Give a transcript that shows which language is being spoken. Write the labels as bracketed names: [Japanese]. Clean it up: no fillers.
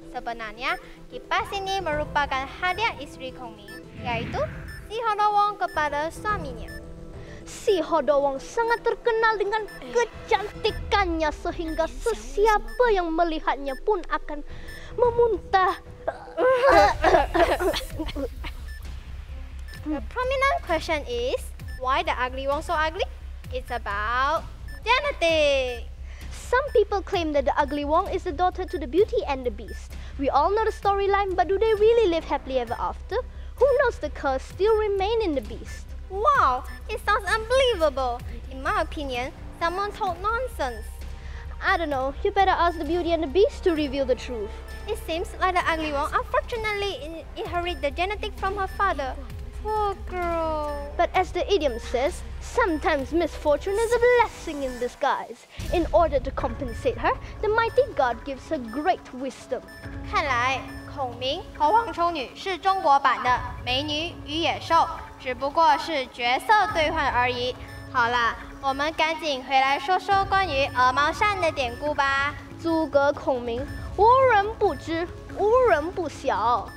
[Malay] Sebenarnya, kipas ini merupakan hadiah isteri kami, yaitu si Hodoh Wong kepada suaminya. Si Hodoh Wong sangat terkenal dengan kecantikannya sehingga sesiapa yang melihatnya pun akan memuntah. [English] The prominent question is, why the ugly Wong so ugly? It's about... genetic. Some people claim that the ugly Wong is the daughter to the Beauty and the Beast. We all know the storyline, but do they really live happily ever after? Who knows, the curse still remains in the Beast. Wow, it sounds unbelievable. In my opinion, someone told nonsense. I don't know, you better ask the Beauty and the Beast to reveal the truth. It seems like the ugly Wong unfortunately inherited the genetic from her father. Poor girl. But as the idiom says,Sometimes misfortune is a blessing in disguise. In order to compensate her, the mighty God gives her great wisdom. [Chinese] 看来孔明和黄蜂女是中国版的美女与野兽，只不过是角色兑换而已。好了，我们赶紧回来说说关于鹅毛扇的典故吧。诸葛孔明，无人不知，无人不晓。